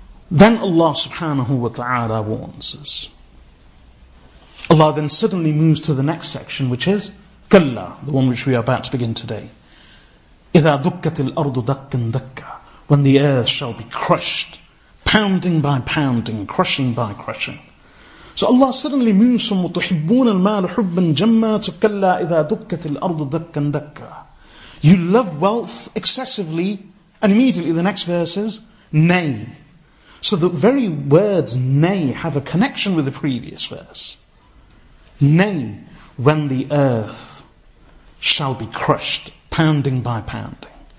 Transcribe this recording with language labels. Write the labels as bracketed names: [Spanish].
[English] Then Allah subhanahu wa ta'ala warns us. Allah then suddenly moves to the next section, which is Kalla, the one which we are about to begin today. [Arabic] إِذَا دُكَّتِ الْأَرْضُ دَكًّا دَكًّا. [English] When the earth shall be crushed, pounding by pounding, crushing by crushing. So Allah suddenly moves from [Arabic] وَتُحِبُّونَ الْمَالُ حُبًّا جَمَّا تُكَلَّا إِذَا دُكَّتِ الْأَرْضُ دَكًّا دَكًّا. [English] You love wealth excessively, and immediately the next verse is Nay. So the very words Nay have a connection with the previous verse. Nay, when the earth shall be crushed, pounding by pounding.